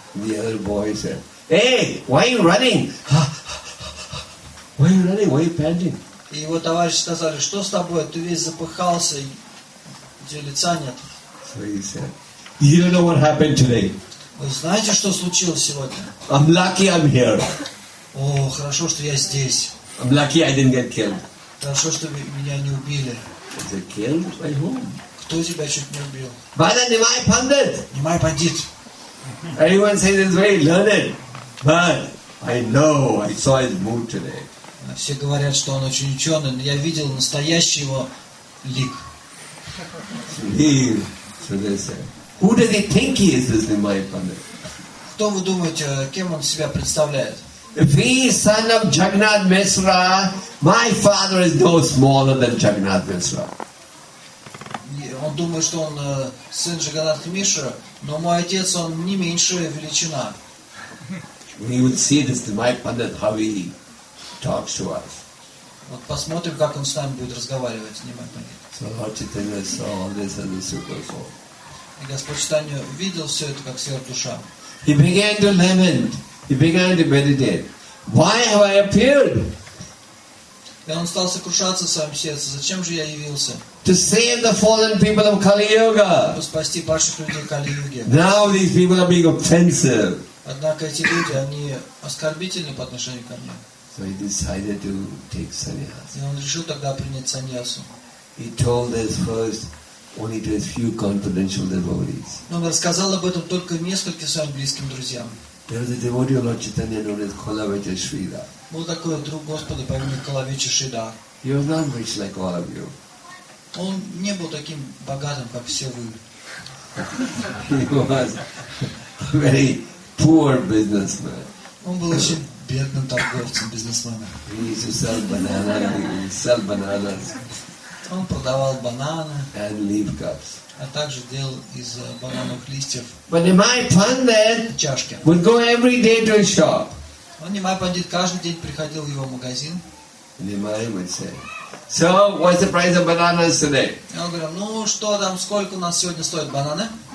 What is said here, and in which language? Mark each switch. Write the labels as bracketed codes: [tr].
[en] The other boy said, "Hey, why are you running? Why are you running? Why are you panting?" [ru] И его товарищи сказали, что с тобой? Ты весь запыхался, у тебя лица нет. [en] So he said, "You don't know what happened today." [ru] Вы знаете, что случилось сегодня? [en] I'm lucky I'm here. [ru] О, хорошо, что я здесь. [en] I'm lucky I didn't get killed. [ru] Хорошо, что меня не убили. [en] Is it killed by whom? [ru] Кто тебя чуть не убил? [en] Bada Nimai Pandit. Nimai Pandit. Everyone says it's very learned, but I know I saw his mood today. [ru] Все говорят, что он очень ученый, но я видел настоящий его лик. [en] So they say, who do they think he is, this Nimai Pandit? [ru] Кто вы думаете, кем он себя представляет? [en] If he is son of Jagannath Misra, my father is no smaller than Jagannath Misra. [ru] Он думает, что он сын Джагнатха Мишры, но мой отец, он не меньшая величина. [en] We will see this Nimai Pandit, how he talks to us. [ru] Вот посмотрим, как он с нами будет разговаривать, Nimai Pandit. [en] So Lord Chaitanya saw all this as a super soul. [ru] И Господь Читанья видел все это, как сверхдуша. [en] He began to lament. He began to meditate. Why have I appeared? [ru] И он стал сокрушаться в своем сердце. Зачем же я явился? [en] To save the fallen people of Kali Yuga. [ru] Спасти падших людей Кали Юги. [en] Now these people are being offensive. [ru] Однако эти люди, они оскорбительны по отношению ко мне. [en] So he decided to take sannyas. [ru] И он решил тогда принять саньясу. [en] He told this first only to a few confidential devotees. [ru] Он рассказал об этом только нескольким своим близким друзьям. [en] There was a devotee of Lord Chaitanya known as Kalavecha Shrida. [ru] Был такой друг Господа по имени Калавеча Шрида. [en] He was not rich like all of you. [ru] Он не был таким богатым, как все вы. [en] He was a very poor businessman. [ru] Он был очень бедным торговцем, бизнесменом. [en] He used to sell bananas. [ru] Он продавал бананы. [en] And leaf cups. [ru] А также делал из банановых листьев. [en] But in my pundit, [ru] чашки. [en] Would go every day to his shop. [ru] Он не мой пандит, каждый день приходил в его магазин. [en] Nimai would say, so what's the price of bananas today? [ru] Я говорю, ну что там, сколько у нас сегодня стоят бананы?